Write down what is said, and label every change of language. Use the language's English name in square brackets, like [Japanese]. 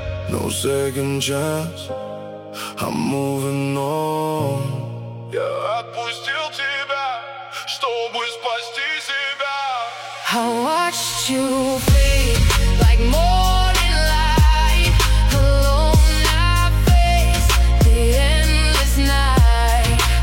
[English] No second chance, I'm moving on. [Russian] Я отпустил тебя, чтобы спасти себя. [English] I watched you fade like morning light, alone I face the endless night.